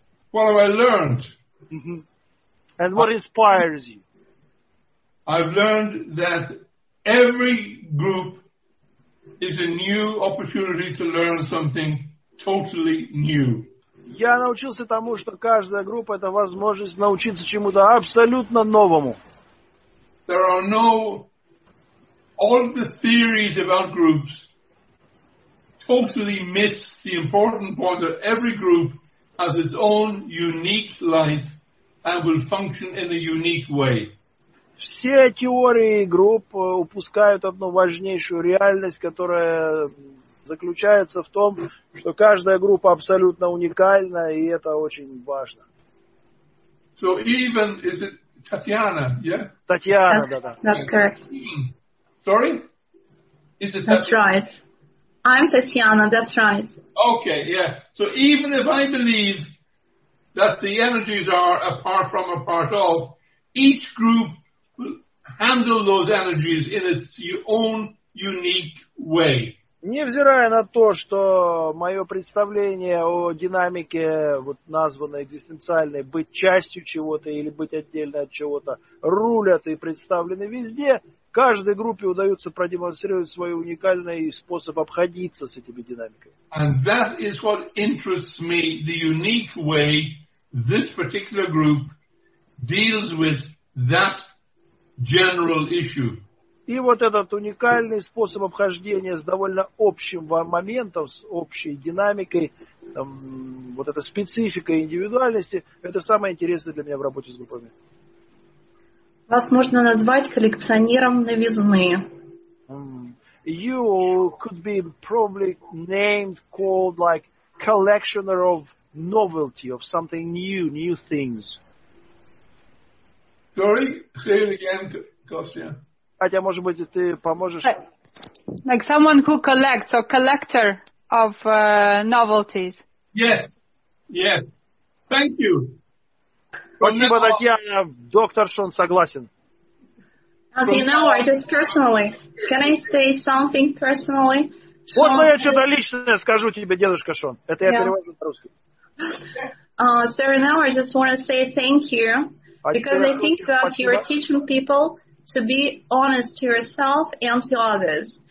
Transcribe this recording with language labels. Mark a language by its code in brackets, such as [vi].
[en] What have I learned? Mm-hmm. And what inspires you? I've learned that every group is a new opportunity to learn something totally new. [ru] Я научился тому, что каждая группа – это возможность научиться чему-то абсолютно новому. [en] There are no all the theories about groups totally miss the important point that every group has its own unique life and will function in a unique way. [ru] Все теории групп упускают одну важнейшую реальность, которая заключается в том, что каждая группа абсолютно уникальна, и это очень важно. [en] So even is it Tatiana, yeah? [ru] Татьяна, [en] that's, [ru] да, [en] that's correct. Sorry? Is it that's right. I'm Tatiana, that's right. Okay, yeah. So even if I believe that the energies are a part from a part of, each group will handle those energies in its own unique way. [ru] Невзирая на то, что мое представление о динамике, вот названной экзистенциальной, быть частью чего-то или быть отдельно от чего-то, рулят и представлены везде, каждой группе удается продемонстрировать свой уникальный способ обходиться с этими динамиками. [en] And that is what interests me, the unique way this particular group deals with that general issue. [ru] И вот этот уникальный способ обхождения с довольно общим моментом, с общей динамикой, там, вот эта специфика индивидуальности, это самое интересное для меня в работе с группами. Вас можно назвать коллекционером новизны. [en] You could be probably named, called like collectioner of novelty, of something new, new things. Sorry, say it again, Kostya. [ru] Хотя, может быть, ты поможешь. [en] Like someone who collects, or collector of novelties. Yes, yes. Thank you. [ru] Спасибо, Татьяна. Доктор Шон согласен. [en] As you know, I just personally, can I say something personally? [ru] Вот Шон, я что-то личное скажу тебе, дедушка Шон. Это [en] yeah. [ru] Я перевожу на русский. [en] Sir, now I just want to say thank you, because I think that you are teaching people to be honest to yourself and to others.